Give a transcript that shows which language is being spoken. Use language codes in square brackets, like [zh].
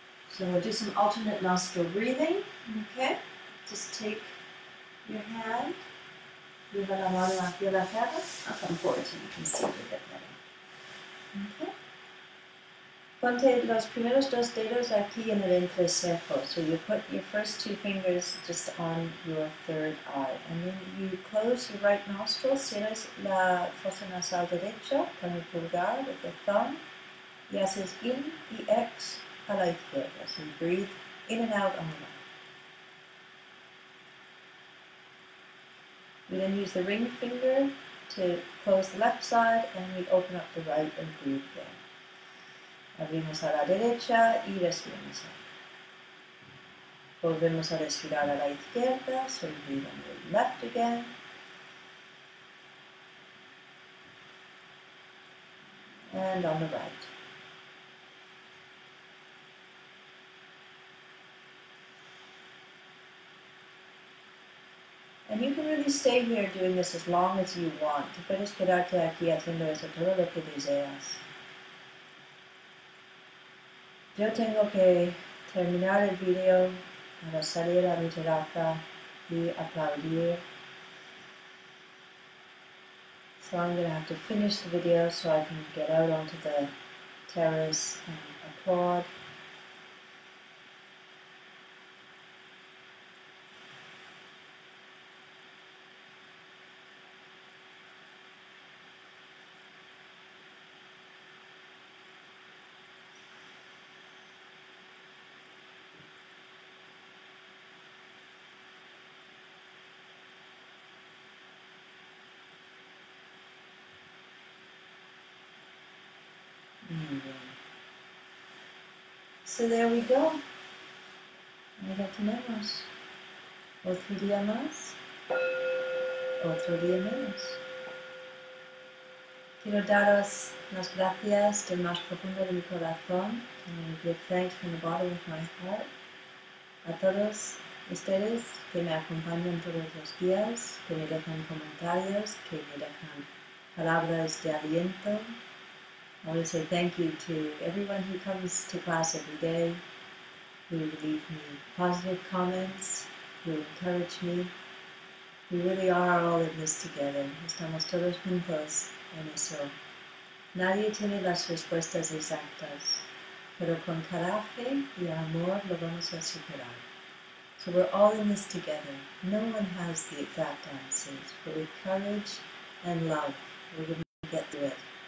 [en] So we'll do some alternate nostril breathing, okay? Just take your hand, [es] lleva la mano hacia la cara, [en] I'll come forward so you can see it a bit better. Okay? [es] Ponte los primeros dos dedos aquí en el entrecejo. [en] So you put your first two fingers just on your third eye. And then you close your right nostril, [es] cierras la fosa nasal derecha con el pulgar, [en] with the thumb, [es] y haces in y ex. A la izquierda, [en] so you breathe in and out on the left. We then use the ring finger to close the left side and we open up the right and breathe in. [es] Abrimos a la derecha y respiramos. Volvemos a respirar a la izquierda, [en] so we breathe on the left again. And on the right. And you can really stay here doing this as long as you want. [es] Te puedes quedarte aquí haciendo eso todo lo que deseas. Yo tengo que terminar el video para salir a mi terraza y aplaudir. [en] So I'm going to have to finish the video so I can get out onto the terrace and applaud. So there we go. [es] Ya tenemos. Otro día más. Otro día menos. Quiero daros las gracias del más profundo de mi corazón. [en] And give thanks from the bottom of my heart. [es] A todos ustedes que me acompañan todos los días, que me dejan comentarios, que me dejan palabras de aliento. [en] I want to say thank you to everyone who comes to class every day, who leave me positive comments, who encourage me. We really are all in this together. [es] Estamos todos juntos en eso. Nadie tiene las respuestas exactas, pero con coraje y amor lo vamos a superar. [en] So we're all in this together. No one has the exact answers, but with courage and love, we're going to get through it.